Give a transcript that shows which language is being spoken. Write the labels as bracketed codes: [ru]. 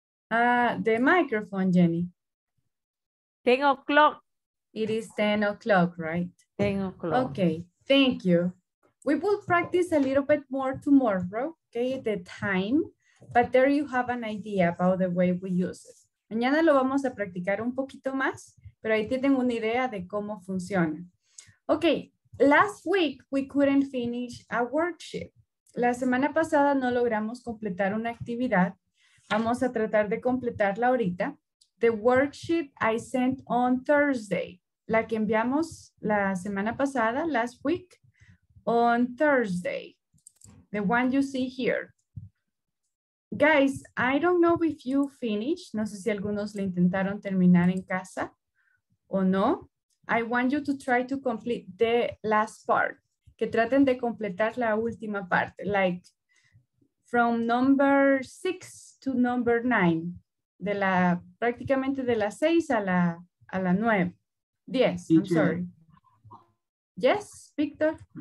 [en] The microphone, Jenny. 10 o'clock. It is 10 o'clock, right? 10 o'clock. Okay, thank you. We will practice a little bit more tomorrow, okay, the time. But there you have an idea about the way we use it. [es] Mañana lo vamos a practicar un poquito más, pero ahí tienen una idea de cómo funciona. [en] Okay, last week we couldn't finish a worksheet. [es] La semana pasada no logramos completar una actividad. Vamos a tratar de completarla ahorita. [en] The worksheet I sent on Thursday. [es] La que enviamos la semana pasada, [en] last week, on Thursday. The one you see here. Guys, I don't know if you finished. [es] No sé si algunos le intentaron terminar en casa o no. [en] I want you to try to complete the last part. [es] Que traten de completar la última parte. [en] Like from number 6 to number 9. [es] De la, prácticamente de la 6 a la 9. [en] 10, I'm sorry. Yes, Victor?